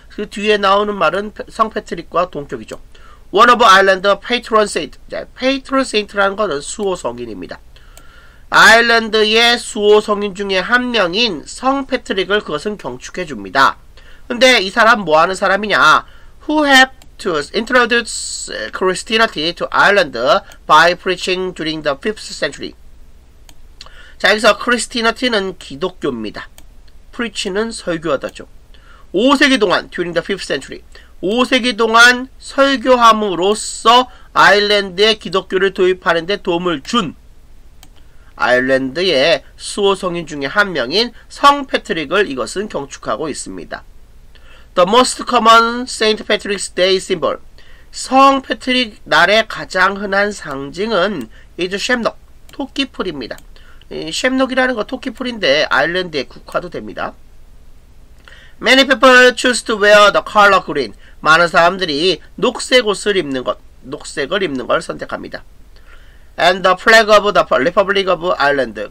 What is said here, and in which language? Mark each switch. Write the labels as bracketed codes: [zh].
[ko] 그 뒤에 나오는 말은 성 패트릭과 동격이죠. [en] One of Ireland's patron saints. 자, [ko] patron saint라는 것은 수호성인입니다. 아일랜드의 수호성인 중에 한 명인 성 패트릭을 그것은 경축해줍니다. 근데 이 사람 뭐 하는 사람이냐? [en] Who have to introduce Christianity to Ireland by preaching during the 5th century? [ko] 자, 여기서 Christianity는 기독교입니다. Preach는 설교하다죠. 5세기 동안, [en] during the 5th century. [ko] 5세기 동안 설교함으로써 아일랜드에 기독교를 도입하는 데 도움을 준 아일랜드의 수호성인 중에 한 명인 성 패트릭을 이것은 경축하고 있습니다. [en] The most common St. Patrick's Day symbol. [ko] 성 패트릭 날의 가장 흔한 상징은 [en] is Shamrock, [ko] 토끼풀입니다. Shamrock이라는 건 토끼풀인데 아일랜드에 국화도 됩니다. [en] Many people choose to wear the color green. [ko] 많은 사람들이 녹색 옷을 입는 것, 녹색을 입는 걸 선택합니다. [en] And the flag of the Republic of Ireland.